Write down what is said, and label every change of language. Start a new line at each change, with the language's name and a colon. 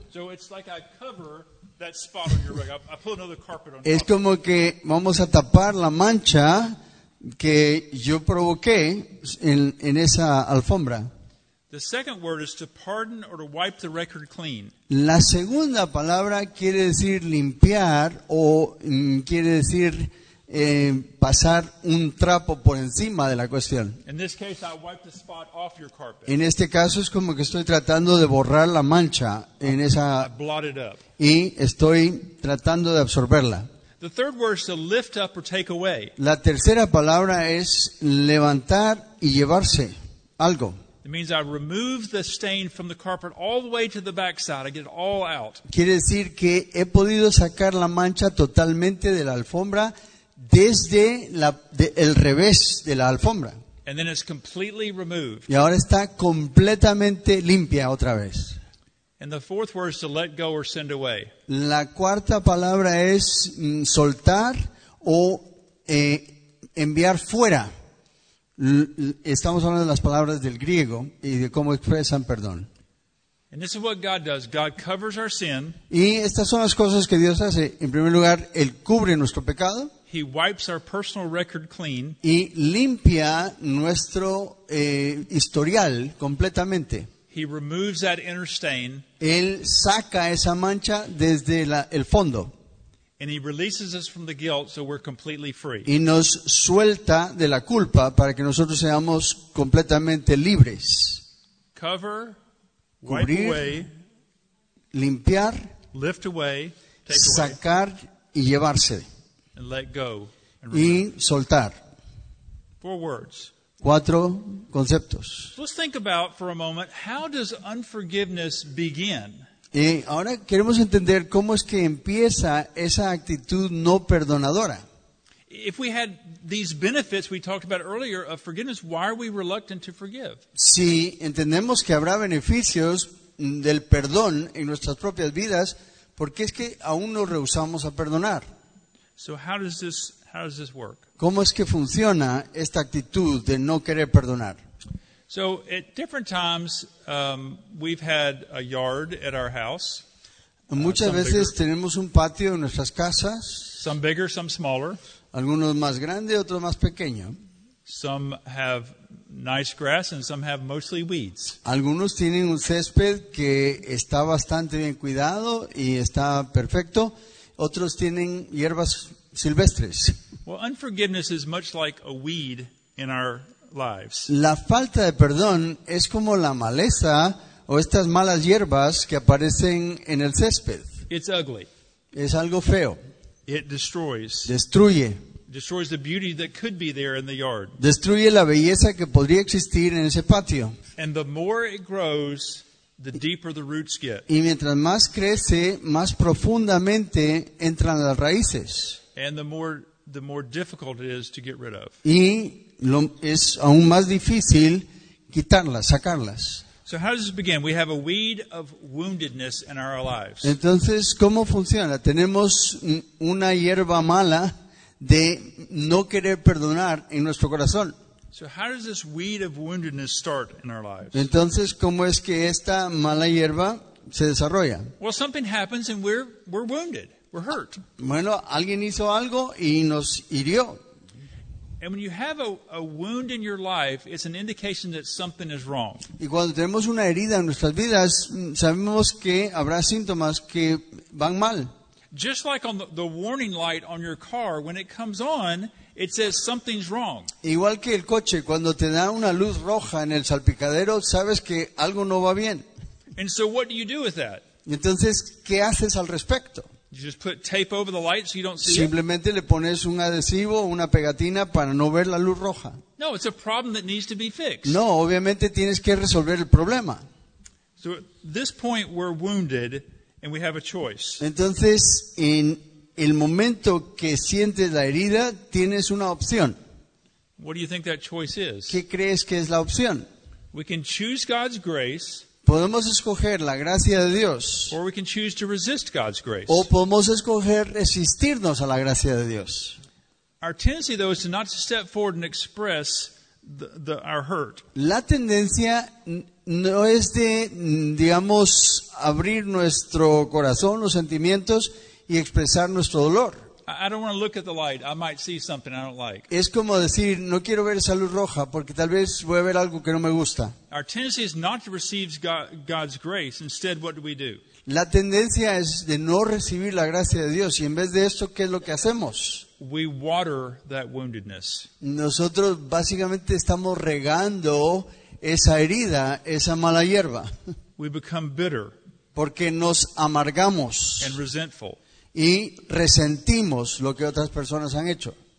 English: So it's like I cover that spot on your rug. I pull another carpet on top.
Spanish: Es como que vamos a tapar la mancha que yo provoqué en esa alfombra.
English: The second word is to pardon or to wipe the record clean.
Spanish: La segunda palabra quiere decir limpiar o quiere decir pasar un trapo por encima de la cuestión.
English: In this case, I wipe the spot off your carpet.
Spanish: En este caso es como que estoy tratando de borrar la mancha en esa
English: I blot it up.
Spanish: Y estoy tratando de absorberla.
English: The third word is to lift up or take away.
Spanish: La tercera palabra es levantar y llevarse algo.
English: It means I remove the stain from the carpet all the way to the backside. I get it all out.
Spanish: Quiere decir que he podido sacar la mancha totalmente de la alfombra desde el revés de la alfombra.
English: And then it's completely removed.
Spanish: Y ahora está completamente limpia otra vez.
English: And the fourth word is to let go or send away.
Spanish: La cuarta palabra es soltar o enviar fuera. Estamos hablando de las palabras del griego y de cómo expresan perdón.
English: And this is what God does. God covers our sin.
Spanish: Y estas son las cosas que Dios hace. En primer lugar, Él cubre nuestro pecado.
English: He wipes our personal record clean.
Spanish: Y limpia nuestro historial completamente.
English: He removes that inner stain.
Spanish: Él saca esa mancha desde el fondo.
English: And he releases us from the guilt so we're completely free.
Spanish: Y nos suelta de la culpa para que nosotros seamos completamente libres.
English: Cover,
Spanish: cubrir,
English: wipe away,
Spanish: limpiar,
English: lift away, take
Spanish: sacar
English: away,
Spanish: y llevarse.
English: And let go and
Spanish: y soltar.
English: Four words.
Spanish: Cuatro conceptos.
English: Let's think about for a moment, how does unforgiveness begin?
Spanish: Y ahora queremos entender cómo es que empieza esa actitud no perdonadora.
English: If we had these benefits we talked about earlier of forgiveness, why are we reluctant to forgive?
Spanish: Si entendemos que habrá beneficios del perdón en nuestras propias vidas, ¿por qué es que aún nos rehusamos a perdonar?
English: So how does this work?
Spanish: ¿Cómo es que funciona esta actitud de no querer perdonar?
English: So at different times we've had a yard at our house.
Spanish: Muchas veces tenemos un patio en nuestras casas.
English: Some bigger, some smaller.
Spanish: Algunos más grande, otros más pequeño.
English: Some have nice grass and some have mostly weeds.
Spanish: Algunos tienen un césped que está bastante bien cuidado y está perfecto. Otros tienen hierbas silvestres.
English: Well, unforgiveness is much like a weed in our lives.
Spanish: La falta de perdón es como la maleza o estas malas hierbas que aparecen en el césped.
English: It's ugly.
Spanish: Es algo feo.
English: It destroys.
Spanish: Destruye.
English: Destroys the beauty that could be there in the yard.
Spanish: Destruye la belleza que podría existir en ese patio.
English: And the more it grows, the deeper the roots get.
Spanish: Y mientras más crece, más profundamente entran las raíces.
English: And the more difficult it is to get rid of.
Spanish: Y es aún más difícil quitarlas, sacarlas.
English: So how does this begin? We have a weed of woundedness in our lives.
Spanish: Entonces, ¿cómo funciona? Tenemos una hierba mala de no querer perdonar en nuestro corazón.
English: So how does this weed of woundedness start in our lives?
Spanish: Entonces, ¿cómo es que esta mala hierba se desarrolla?
English: Well, something happens and we're wounded. were hurt.
Spanish: Bueno, alguien hizo algo y nos hirió.
English: And when you have a wound in your life, it's an indication that something is wrong.
Spanish: Y cuando tenemos una herida en nuestras vidas, sabemos que habrá síntomas que van mal.
English: Just like on the warning light on your car, when it comes on, it says something's wrong.
Spanish: Igual que el coche, cuando te da una luz roja en el salpicadero, sabes que algo no va bien.
English: And so what do you do with that?
Spanish: Entonces, ¿qué haces al respecto?
English: You just put tape over the light so you don't see.
Spanish: Simplemente
English: it.
Spanish: Le pones un adhesivo o una pegatina para no ver la luz roja.
English: No, it's a problem that needs to be fixed.
Spanish: No, obviamente tienes que resolver el problema.
English: So at this point we're wounded and we have a choice.
Spanish: Entonces, en el momento que sientes la herida, tienes una opción.
English: What do you think that choice is?
Spanish: ¿Qué crees que es la opción?
English: We can choose God's grace.
Spanish: Podemos escoger la gracia de Dios.
English: Or we can choose to resist God's grace.
Spanish: O podemos escoger resistirnos a la gracia de Dios.
English: Our tendency, though, is to not step forward and express our hurt.
Spanish: La tendencia no es de, digamos, abrir nuestro corazón, los sentimientos y expresar nuestro dolor.
English: I don't want to look at the light. I might see something I don't like.
Spanish: Es como decir, no quiero ver esa luz roja porque tal vez voy a ver algo que no me gusta.
English: Our tendency is not to receive God's grace. Instead, what do we do?
Spanish: La tendencia es de no recibir la gracia de Dios. Y en vez de esto, ¿qué es lo que hacemos?
English: We water that woundedness.
Spanish: Nosotros básicamente estamos regando esa herida, esa mala hierba.
English: We become bitter.
Spanish: Porque nos amargamos.
English: And resentful.
Spanish: Y resentimos lo que otras personas han hecho.